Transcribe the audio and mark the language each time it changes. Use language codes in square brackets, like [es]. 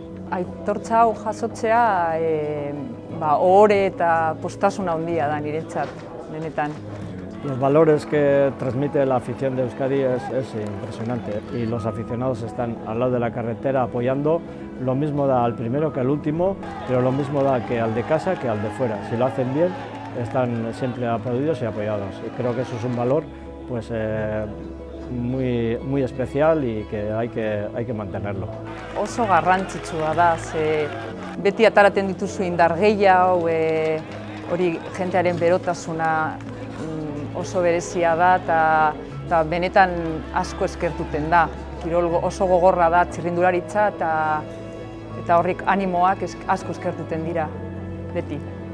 [eu] Aitortza hau jasotzea ba ohore eta postasuna handia da niretzat benetan. [es] Los valores que transmite la afición de Euskadi es impresionante y los aficionados están al lado de la carretera apoyando. Lo mismo da al primero que al último, pero lo mismo da que al de casa que al de fuera. Si lo hacen bien, están siempre aplaudidos y apoyados. Creo que eso es un valor pues, muy, muy especial y que hay que mantenerlo. [eu] Oso garrantzitsua da, ze beti ataraten dituzu indar gehiago, hori jentearen berotasuna oso berezia da eta benetan asko eskertuten da. Kirol oso gogorra da txirrindularitza eta horrik animoak asko eskertuten dira beti.